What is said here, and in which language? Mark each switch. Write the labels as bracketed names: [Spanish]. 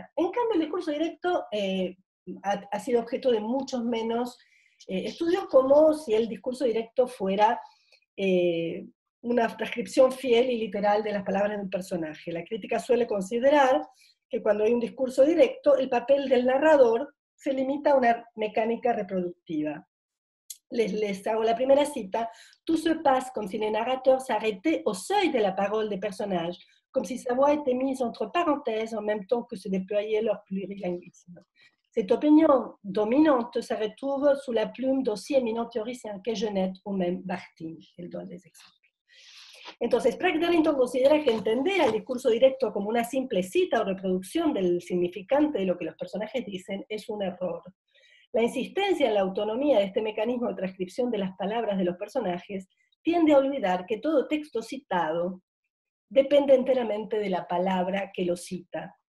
[Spanish] En cambio, el discurso directo ha sido objeto de muchos menos estudios, como si el discurso directo fuera una transcripción fiel y literal de las palabras del personaje. La crítica suele considerar que cuando hay un discurso directo, el papel del narrador se limita a una mecánica reproductiva. Les hago la primera cita. [French] Tout se passe comme si le narrateur s'arrêtait au seuil de la parole des personnages, comme si sa voix était mise entre parenthèses en même temps que se déployait leur plurilinguisme. Cette opinion dominante se retrouve sous la plume d'aussi éminents théoriciens que Genette ou même Bakhtin. Elle donne des exemples. [Spanish] Entonces, Sprague Darrington considera que entender el discurso directo como una simple cita o reproducción del significante de lo que los personajes dicen es un error. La insistencia en la autonomía de este mecanismo de transcripción de las palabras de los personajes tiende a olvidar que todo texto citado depende enteramente de la palabra que lo cita.